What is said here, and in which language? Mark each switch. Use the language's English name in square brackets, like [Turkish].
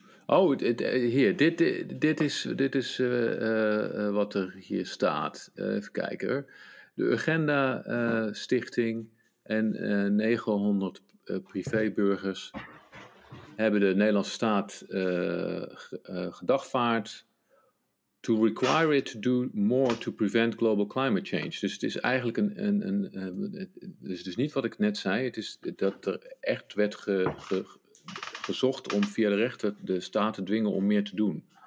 [Dutch] Oh, dit is wat er hier staat. Even kijken hoor. De Urgenda Stichting en 900 privéburgers hebben de Nederlandse staat gedagvaard. [English] To require it to do more to prevent global climate change. [Dutch] Dus het is eigenlijk dus niet wat ik net zei. Het is dat er echt werd gezocht om via de rechter de staat te dwingen om meer te doen.